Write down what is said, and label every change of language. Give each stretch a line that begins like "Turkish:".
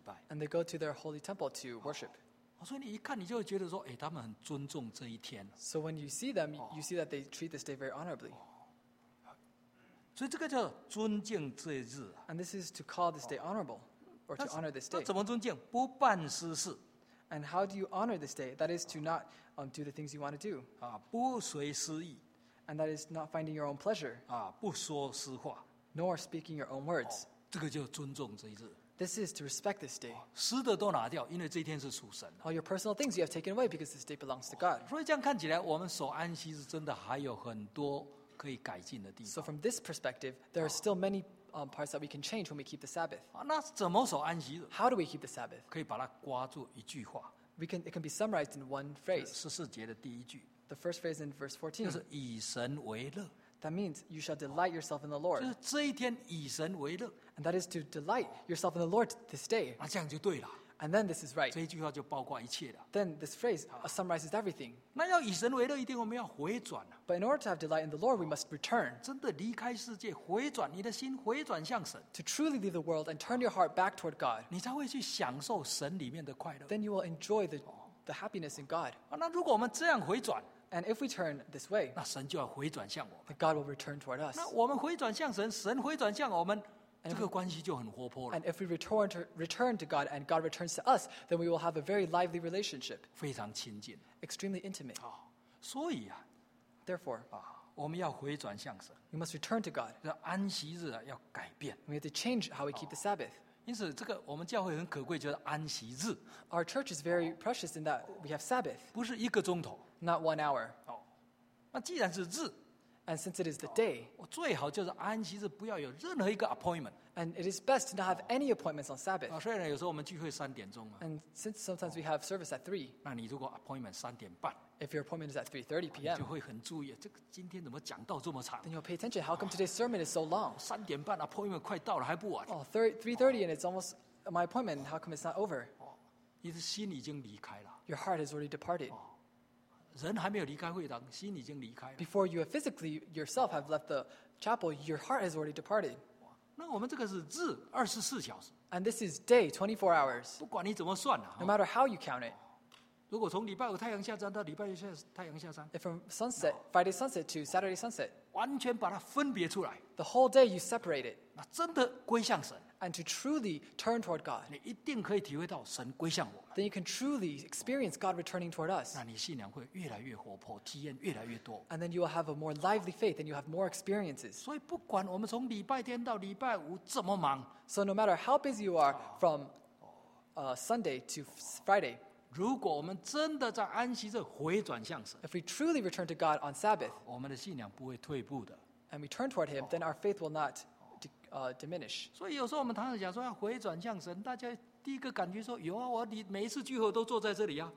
English: And they go to their holy temple to worship.
Chinese: 所以你一看你就会觉得说, 诶, 他们很尊重这一天。
English: So when you see them, you see that they treat this day very honorably.
Chinese: 所以这个叫尊敬这日,
English: and this is to call this day honorable, or to honor this day.
Chinese: 那怎么尊敬?不办私事,
English: and how do you honor this day? That is to not do the things you want to do.
Chinese: 不随私意,
English: and that is not finding your own pleasure.
Chinese: 不说私话,
English: nor speaking your own words.
Chinese: 这个叫尊重这日,
English: this is to respect this day.
Chinese: 私的都拿掉, 因为这一天是属神,
English: all your personal things you have taken away because this day belongs to God.
Chinese: 所以这样看起来, 我们守安息日真的还有很多,
English: so from this perspective, there are still many parts that we can change when we keep the Sabbath.
Chinese: 那怎么守安息日?
English: How do we keep the Sabbath?
Chinese: 可以把它刮住一句话,
English: it can be summarized in one phrase.
Chinese: 14节的第一句,
English: the first phrase in verse 14.
Chinese: 就是以神为乐,
English: that means you shall delight yourself in the Lord.
Chinese: 就是这一天以神为乐,
English: and that is to delight yourself in the Lord this day.
Chinese: 那这样就对了,
English: and then this is right.
Chinese: 这一句话就包括一切的,
English: then this phrase summarizes everything.
Chinese: 那要以神为乐一定我们要回转,
English: but in order to have delight in the Lord, we must return.
Chinese: 真的离开世界, 回转, 你的心, 回转向神,
English: to truly leave the world and turn your heart back toward God.
Chinese: 你才会去享受神里面的快乐,
English: then you will enjoy the happiness in God.
Chinese: 那如果我们这样回转,
English: and if we turn this way,
Chinese: 那神就要回转向我们,
English: then God will return toward us.
Chinese: 那我们回转向神, 神回转向我们, and
English: if we return to God and God returns to us, then we will have a very lively relationship.
Chinese: 非常亲近,
English: extremely intimate.
Chinese: 所以啊,
English: therefore,
Chinese: 我们要回转向神,
English: we must return to God.
Chinese: 安息日啊,要改变,
English: we have to change how we keep the Sabbath.
Chinese: 因此这个我们教会很可贵就是安息日,
English: our church is very precious in that we have Sabbath.
Chinese: 不是一个钟头,
English: not 1 hour.
Chinese: 那既然是日,
English: and since it is the day,
Chinese: 最好就是安息日不要有任何一个 appointment,
English: And it is best to not have any appointments on Sabbath.
Chinese: 虽然有时候我们聚会三点钟嘛。
English: And since sometimes we have service at 3.
Chinese: 那你如果 appointment 三点半。
English: If your appointment is at 3:30 p.m.
Chinese: 你就会很注意，这个今天怎么讲到这么长？
English: Then you'll pay attention. How come today's sermon is so long?
Chinese: 三点半 appointment 快到了还不晚。
English: Oh, 3:30 and it's almost my appointment. How come it's not over?
Chinese: 你的心已经离开了。
English: Your heart has already departed.
Chinese: 人还没有离开会堂，心已经离开了。
English: Before you have physically yourself have left the chapel, your heart has already departed.
Chinese: 那我们这个是日二十四小时
English: ，and this is day 24 hours。
Chinese: 不管你怎么算了
English: ，no matter how you count it。
Chinese: 如果从礼拜五太阳下山到礼拜六太阳下山
English: ，if from sunset Friday sunset to Saturday sunset，
Chinese: 完全把它分别出来
English: ，the whole day you separate it，
Chinese: 那真的归向神
English: ，and to truly turn toward God，
Chinese: 你一定可以体会到神归向我们
English: ，then you can truly experience God returning toward us。
Chinese: 那你信仰会越来越活泼，体验越来越多
English: ，and then you will have a more lively faith and you have more experiences。
Chinese: 所以不管我们从礼拜天到礼拜五怎么忙
English: ，so no matter how busy you are from Sunday to Friday。
Chinese: 如果我们真的在安息日回转向神
English: ，If we truly return to God on Sabbath，
Chinese: 我们的信仰不会退步的
English: ，And we turn toward Him， then our faith will not diminish。
Chinese: 所以有时候我们常常讲说要回转向神，大家第一个感觉说有啊，我每一次聚会都坐在这里啊。